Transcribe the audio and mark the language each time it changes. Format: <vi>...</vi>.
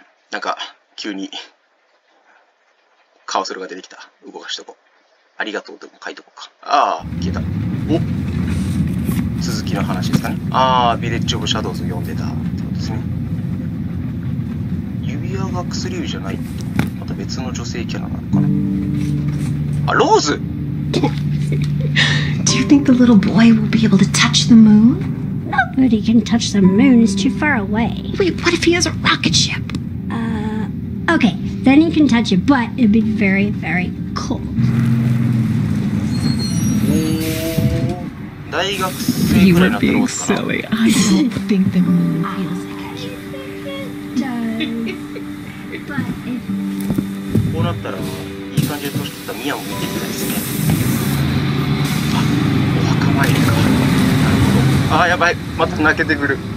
<ja>なんか急にカーソルが出てきた、動かしとこう、ありがとうでも書いとこうか。ああ、消えた。お、続きの話ですかね。ああ、ビレッジオブシャドウズ読んでたってことですね。指輪が薬指じゃないって。また別の女性キャラなのかな。あ、ローズ</ja> <en>Do you think the little boy will be able to touch the moon? Nobody can touch the moon, it's too far away. Wait, what if he has a rocket ship? Okay, then he can touch it, but it'd be very, very cold.</en> <ja>大学生くらいになってるのかな。</ja> <en>You are being silly. I don't think the moon feels like it. It does.</en> <ja>こうなったらいい感じで年取ったミヤも見てみたいですね。あ、お墓参りか。なるほど。あ、やばい、また泣けてくる。</ja>